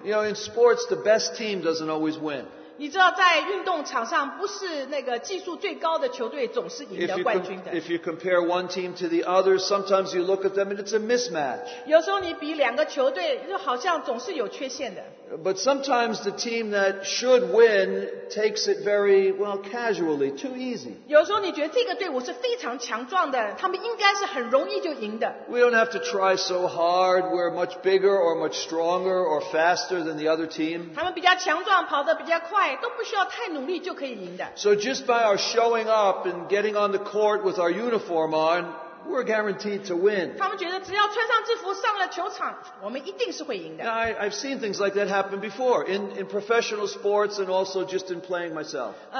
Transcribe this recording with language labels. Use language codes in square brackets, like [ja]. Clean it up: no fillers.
[en] You know, in sports, the best team doesn't always win. [zh] 你知道在运动场上，不是那个技术最高的球队总是赢得冠军的。 [en] If you compare one team to the other, sometimes you look at them and it's a mismatch. [zh] 有时候你比两个球队，就好像总是有缺陷的。 [en] But sometimes the team that should win takes it very, well, casually, too easy. [zh] 有时候你觉得这个队伍是非常强壮的，他们应该是很容易就赢的。 [en] We don't have to try so hard. We're much bigger or much stronger or faster than the other team. [zh] 他们比较强壮，跑得比较快，都不需要太努力就可以赢的。 [en] So just by our showing up and getting on the court with our uniform on, we're guaranteed to win. Now, I've seen things like that happen before in professional sports and also just in playing myself.